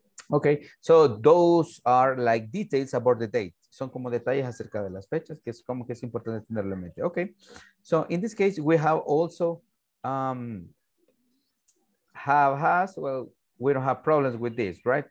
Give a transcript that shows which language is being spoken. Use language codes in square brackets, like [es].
[en] Okay, so those are like details about the date. [es] Son como detalles acerca de las fechas, que es como que es importante tenerlo en mente. [en] Okay, so in this case, we have also we don't have problems with this, right?